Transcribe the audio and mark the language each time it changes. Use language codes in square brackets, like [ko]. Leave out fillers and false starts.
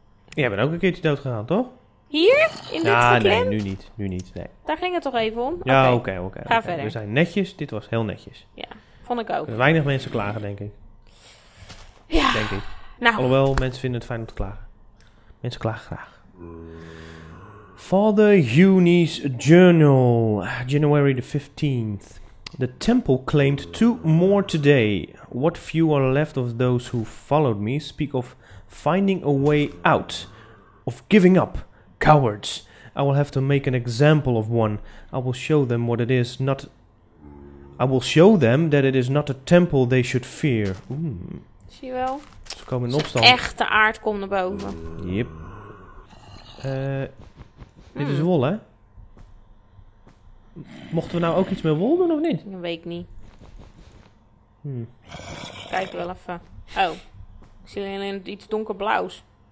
[nl] Jij bent ook een keertje doodgegaan, toch? Hier? In dit geklim? Nee, nu niet. Nee. Daar ging het toch even om? Ja, oké. Ga verder. We zijn netjes, dit was heel netjes. Ja, vond ik ook. Er zijn weinig mensen klagen, denk ik. Ja. Denk ik. Nou. Alhoewel, mensen vinden het fijn om te klagen. Mensen klagen graag. [en] Father Huni's journal, January the 15th. The temple claimed 2 more today. What few are left of those who followed me speak of finding a way out, of giving up. Cowards, I will have to make an example of one. I will show them what it is not... I will show them that it is not a temple they should fear. [nl] Zie je wel? Ze komen in opstand. Echte aard komt naar boven. Yep. Dit is wol, hè? Mochten we nou ook iets met wol doen of niet? Dat weet ik niet. Kijk wel even. Oh. Ik zie alleen iets donkerblauws.